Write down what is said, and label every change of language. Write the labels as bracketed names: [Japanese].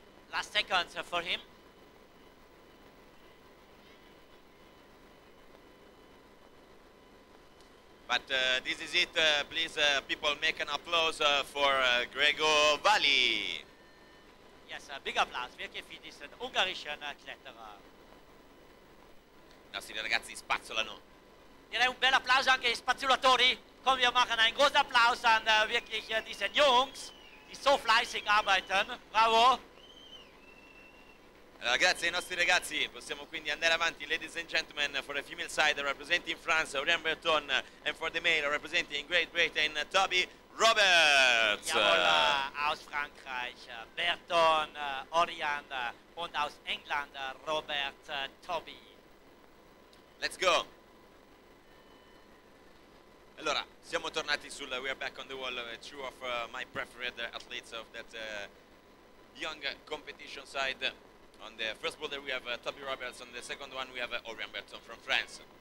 [English] Last seconds for him. But this is it, please people make an applause for Grego Vali. Yes, a big applause, [German] wirklich für diesen ungarischen Kletterer. [Italian] I nostri ragazzi spazzolano. Direi un bel applauso anche ai spazzolatori, come [German] wir machen ein großer Applaus an wirklich diesen Jungs, die so fleißig arbeiten, [Italian] bravo. Allora, grazie ai nostri ragazzi, possiamo quindi andare avanti. [English] Ladies and gentlemen, for the female side representing France, Aurélien Berton, and for the male representing Great Britain, Toby Roberts. [German] Diavola, aus Frankreich, Berton, Aurélien, und aus England, Robert, Toby. [English] Let's go. [Italian] Allora, siamo tornati sul [English] We Are Back on the Wall, two of my preferred athletes of that young competition side. On the first boulder we have Toby Roberts, on the second one we have Aurélien Berton from France.